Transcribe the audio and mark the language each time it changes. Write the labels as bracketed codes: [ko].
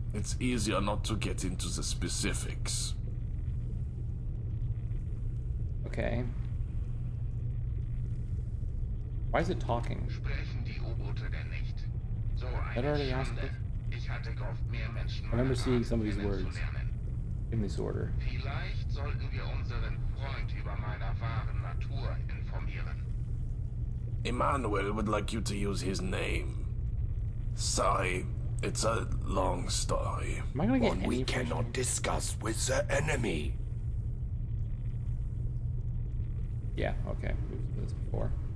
[en] It's easier not to get into the specifics. Okay. Why is it talking? [de] Sprechen die U-Boote denn nicht? So eine Schande. [en] Already asked it. [de] Ich hatte gehofft, mehr Menschen. [en] I remember seeing some of these words in this order. [de] Vielleicht sollten wir unseren Freund über meiner wahren Natur informieren. [en] Emmanuel would like you to use his name. Sorry, it's a long story. Am I gonna get one we cannot discuss with the enemy. Yeah, okay. We've done this before.